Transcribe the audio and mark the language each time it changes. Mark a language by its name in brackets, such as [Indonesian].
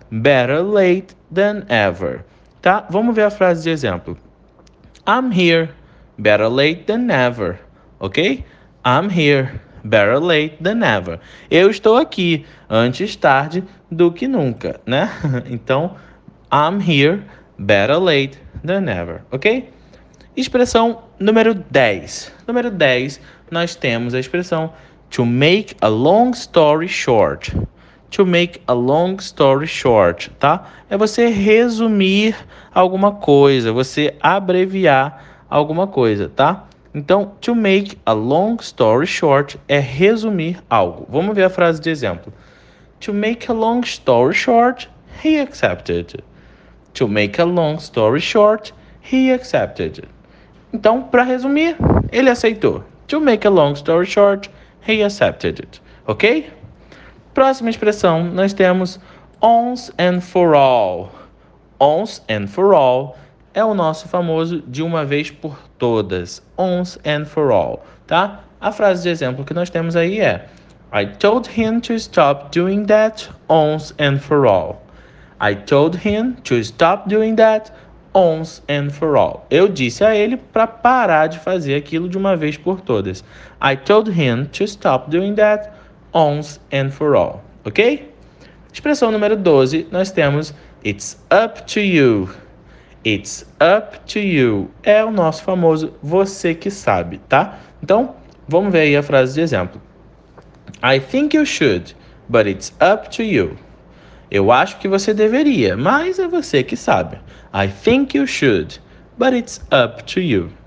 [English] Better late than ever, [Portuguese] tá? Vamos ver a frase de exemplo. [English] I'm here, better late than never, ok? I'm here. Better late than never. [Portuguese] Eu estou aqui, antes tarde do que nunca, né? Então, [English] I'm here, better late than never, ok? [Portuguese] Expressão número 10. Número 10, nós temos a expressão [English] to make a long story short. to make a long story short, [Portuguese] tá? É você resumir alguma coisa, você abreviar alguma coisa, tá? Então, [English] to make a long story short [Portuguese] é resumir algo. Vamos ver a frase de exemplo. [English] To make a long story short, he accepted. To make a long story short, he accepted. [Portuguese] Então, para resumir, ele aceitou. [English] To make a long story short, he accepted it. Ok? [Portuguese] Próxima expressão, nós temos [English] once and for all. Once and for all [Portuguese] é o nosso famoso de uma vez por todas. [English] Once and for all, tá? [Portuguese] A frase de exemplo que nós temos aí é [English] I told him to stop doing that once and for all. I told him to stop doing that once and for all. [Portuguese] Eu disse a ele para parar de fazer aquilo de uma vez por todas. [English] I told him to stop doing that once and for all. [Portuguese] Ok? Expressão número 12, nós temos [English] it's up to you. It's up to you. [Portuguese] É o nosso famoso você que sabe, tá? Então, vamos ver aí a frase de exemplo. [English] I think you should, but it's up to you. [Portuguese] Eu acho que você deveria, mas é você que sabe. [English] I think you should, but it's up to you.